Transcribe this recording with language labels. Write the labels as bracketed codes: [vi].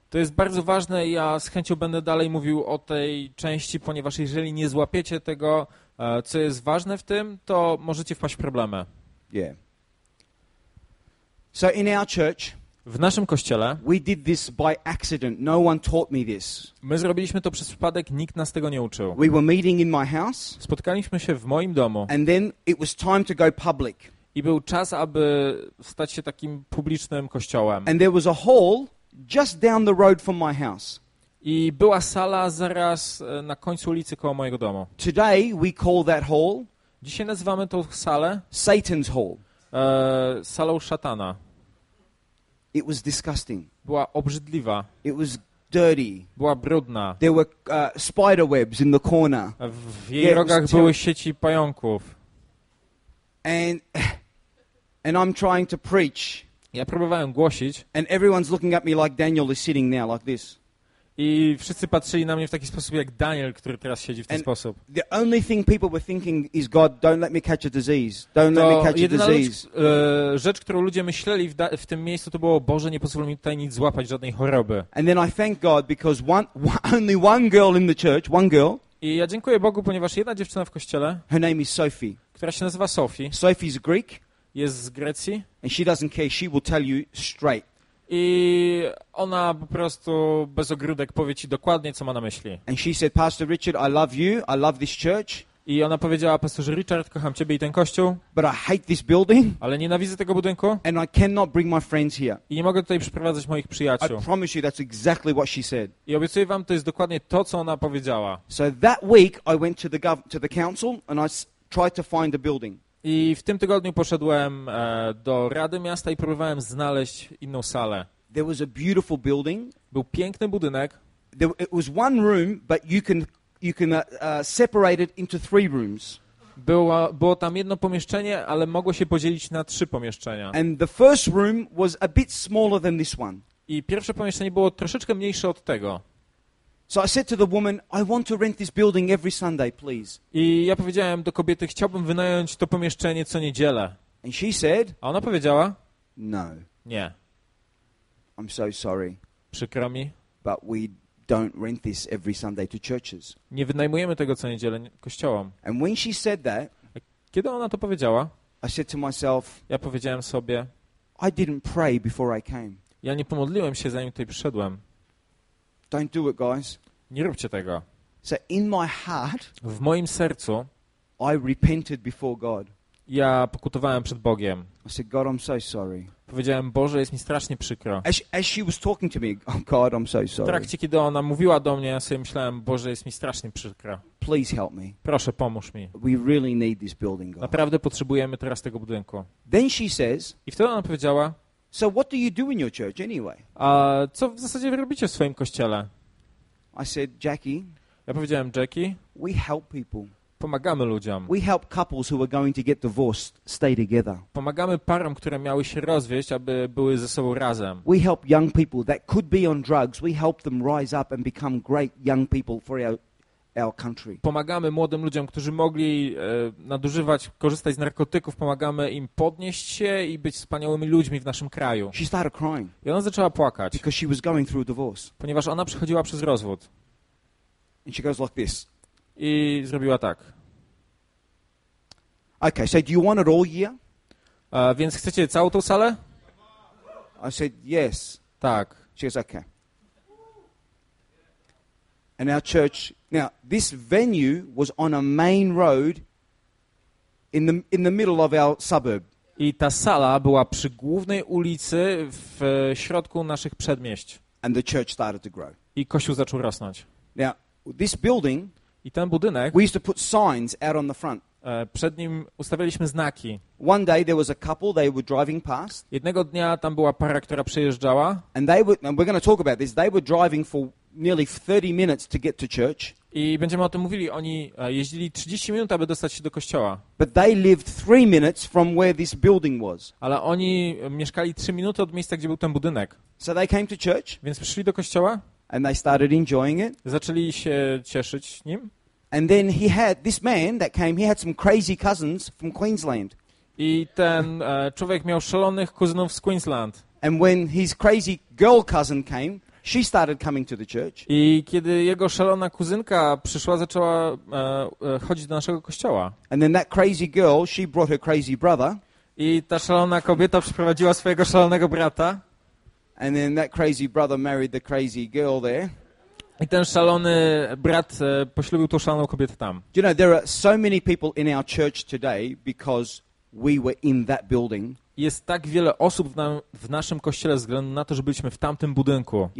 [pl] To jest bardzo ważne. Ja z chęcią będę dalej mówił o tej części, ponieważ jeżeli nie złapiecie tego, co jest ważne w tym, to możecie wpaść w problemy. [en] Yeah. So in our church, [pl] w naszym kościele, [en] we did this by accident. No one taught me this. [pl] My zrobiliśmy to przez przypadek, nikt nas tego nie uczył. [en] We were meeting in my house. [pl] Spotkaliśmy się w moim domu. [en] And then it was time to go public. [pl] I był czas, aby stać się takim publicznym kościołem. [en] And there was a hall just down the road from my house. [pl] I była sala zaraz na końcu ulicy koło mojego domu. [en] Today we call that hall, [pl] dzisiaj nazywamy tą salę [en] Satan's Hall. [pl] Salą szatana. [en] It was disgusting. [pl] Była obrzydliwa. [en] It was dirty. [pl] Była brudna. [en] There were spider webs in the corner. [pl] W jej rogach były sieci pająków. [en] And I'm trying to preach. [pl] Ja próbowałem głosić. [en] And everyone's looking at me like Daniel is sitting now, like this. [pl] I wszyscy patrzyli na mnie w taki sposób, jak Daniel, który teraz siedzi w ten sposób. [en] The only thing people were thinking is, God, don't let me catch a disease. Don't let me catch a disease. [pl] Rzecz, którą ludzie myśleli w tym miejscu, to było, Boże, nie pozwól mi tutaj nic złapać, żadnej choroby. [en] And then I thank God because only one girl in the church, one girl. [pl] I ja dziękuję Bogu, ponieważ jedna dziewczyna w kościele. [en] Her name is Sophie. [pl] Która się nazywa Sophie. [en] Sophie's Greek. [pl] Jest z Grecji. [en] And she doesn't care. She will tell you straight. [pl] I ona po prostu bez ogródek powie ci dokładnie, co ma na myśli. [en] And she said, Pastor Richard, I love you, I love this church. [pl] I ona powiedziała, pastorze Richard, kocham ciebie i ten kościół. [en] But I hate this building. [pl] Ale nienawidzę tego budynku. [en] And I cannot bring my friends here. [pl] I nie mogę tutaj przyprowadzać moich przyjaciół. [en] I promise you, that's exactly what she said. [pl] I obiecuję wam, to jest dokładnie to, co ona powiedziała. [en] So that week I went to the council and I tried to find the building. [pl] I w tym tygodniu poszedłem do Rady Miasta i próbowałem znaleźć inną salę. [en] There was a beautiful building. [pl] Był piękny budynek. [en] It was one room, but you can separate it into three rooms. [pl] Było tam jedno pomieszczenie, ale mogło się podzielić na trzy pomieszczenia. [en] And the first room was a bit smaller than this one. [pl] I pierwsze pomieszczenie było troszeczkę mniejsze od tego. [en] So I said to the woman, I want to rent this building every Sunday, please. [pl] I ja powiedziałem do kobiety, chciałbym wynająć to pomieszczenie co niedzielę. [en] And she said, [pl] a ona powiedziała, [en] no. [pl] Nie. [en] I'm so sorry. [pl] Przykro mi. [en] But we don't rent this every Sunday to churches. [pl] Nie wynajmujemy tego co niedzielę kościołom. [en] And when she said that, [pl] kiedy ona to powiedziała, [en] I said to myself, [pl] ja powiedziałem sobie, [en] I didn't pray before I came. [pl] Ja nie pomodliłem się zanim tutaj przyszedłem. [en] Don't do it, guys. [pl] Nie róbcie tego. [en] So in my heart, [pl] w moim sercu, [en] I repented before God. [pl] Ja pokutowałem przed Bogiem. [en] I said, God, I'm so sorry. [pl] Powiedziałem, Boże, jest mi strasznie przykro. [en] As she was talking to me, oh God, I'm so sorry. [pl] W trakcie, kiedy ona mówiła do mnie, ja sobie myślałem, Boże, jest mi strasznie przykro. [en] Please help me. [pl] Proszę, pomóż mi. [en] We really need this building, God. [pl] Naprawdę potrzebujemy teraz tego budynku. [en] Then she says, [pl] i wtedy ona powiedziała, [en] so what do you do in your church anyway? [pl] A co w zasadzie wy robicie w swoim kościele? [en] I said, Jackie. [pl] Ja powiedziałem, Jackie. [en] We help people. [pl] Pomagamy ludziom. [en] We help couples who are going to get divorced stay together. [pl] Pomagamy parom, które miały się rozwieść, aby były ze sobą razem. [en] We help young people that could be on drugs. We help them rise up and become great young people for our country. [pl] Pomagamy młodym ludziom, którzy mogli nadużywać, korzystać z narkotyków. Pomagamy im podnieść się i być wspaniałymi ludźmi w naszym kraju. [en] She started crying. [pl] I ona zaczęła płakać. [en] Because she was going through a divorce. [pl] Ponieważ ona przechodziła przez rozwód. [en] And she goes like this. [pl] I zrobiła tak. [en] Okay, so do you want it all year? [pl] Więc chcecie całą tą salę? [en] I said yes. [pl] Tak. [en] She goes okay. And our church. Now this venue was on a main road in the middle of our suburb. [pl] I ta sala była przy głównej ulicy w środku naszych przedmieść. [en] And the church started to grow. [pl] I kościół zaczął rosnąć. [en] Now this building. [pl] I ten budynek. [en] We used to put signs out on the front. [pl] Przed nim ustawialiśmy znaki. [en] One day there was a couple, they were driving past. [pl] Jednego dnia tam była para, która przejeżdżała. [en] And we're going to talk about this. They were driving for nearly 30 minutes to get to church. [pl] I będziemy o tym mówili. Oni jeździli 30 minut, aby dostać się do kościoła. [en] But they lived 3 minutes from where this building was. [pl] Ale oni mieszkali 3 minuty od miejsca, gdzie był ten budynek. [en] So they came to church. [pl] Więc przyszli do kościoła. [en] And they started enjoying it. [pl] Zaczęli się cieszyć nim. [en] And then he had this man that came. He had some crazy cousins from Queensland. [pl] I ten człowiek miał szalonych kuzynów z Queensland. [en] And when his crazy girl cousin came, she started coming to the church. [pl] I kiedy jego szalona kuzynka przyszła, zaczęła chodzić do naszego kościoła. [en] And then that crazy girl, she brought her crazy brother. [pl] I ta szalona kobieta przyprowadziła swojego szalonego brata. [en] And then that crazy brother married the crazy girl there. [pl] I ten szalony brat poślubił tą szaloną kobietę tam. [en] You know, there are so many people in our church today because we were in that building. [pl] Jest tak wiele osób w naszym kościele ze względu na to, że byliśmy w tamtym budynku.